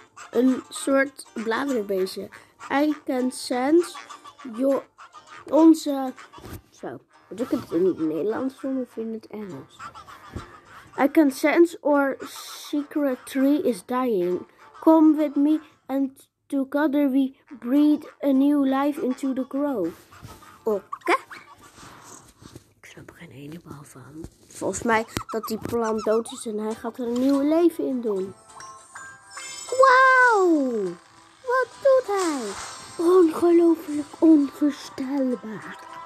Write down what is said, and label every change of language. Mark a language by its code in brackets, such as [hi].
[nl] Een soort bladerenbeestje. [en] I can sense your... [nl] onze... Zo, moet ik het in het Nederlands doen of in het Engels? [en] I can sense our secret tree is dying. Come with me and together we breathe a new life into the grove. [nl] Oké. Ik snap er geen ene bal van. Volgens mij dat die plant dood is en hij gaat er een nieuw leven in doen. Wauw! Wat doet hij? Ongelooflijk onvoorstelbaar.